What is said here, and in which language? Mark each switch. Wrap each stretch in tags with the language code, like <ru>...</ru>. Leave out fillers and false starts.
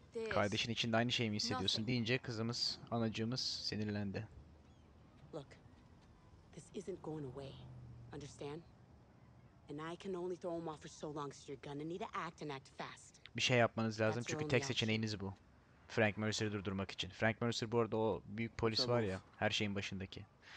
<tr>Kardeşin içinde aynı şeyi mi hissediyorsun deyince kızımız, anacığımız sinirlendi.</tr> <en>Look. This isn't going away. Understand? And I can only throw him off for so long, so you're gonna need to act and act fast.</en> <tr>Bir şey yapmanız lazım çünkü tek seçeneğiniz bu. Frank Mercer'ı durdurmak için. Frank Mercer bu arada o büyük polis var ya, her şeyin başındaki.</tr>